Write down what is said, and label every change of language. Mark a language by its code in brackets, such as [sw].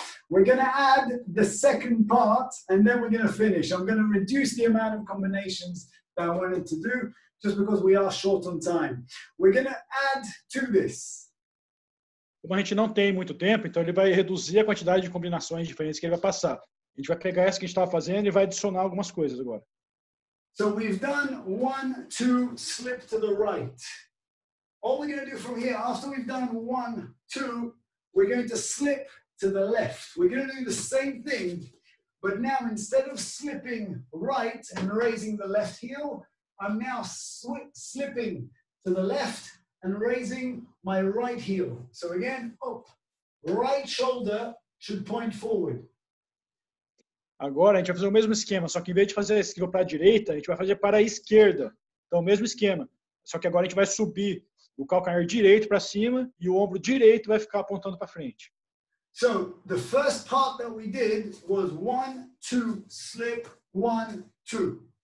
[en] We're going to add the second part and then we're going to finish. I'm going to reduce the amount of combinations that I wanted to do just because we are short on time. We're going to add to this. [pt] Como a gente não tem muito tempo, então ele vai reduzir a quantidade de combinações diferentes que ele vai passar. A gente vai pegar essa que a gente estava fazendo e vai adicionar algumas coisas agora. [en] So we've done 1, 2, slip to the right. All we're going to do from here, after we've done 1, 2, we're going to slip to the left. We're going to do the same thing, but now instead of slipping right and raising the left heel, I'm now slipping to the left and raising my right heel. So again, up. Right shoulder should point forward. [pt] Agora a gente vai fazer o mesmo esquema, só que em vez de fazer esquiva para a direita, a gente vai fazer para a esquerda. Então, o mesmo esquema. Só que agora a gente vai subir o calcanhar direito para cima e o ombro direito vai ficar apontando para frente. [en] So, the first part that we did was 1, 2, slip, 1, 2.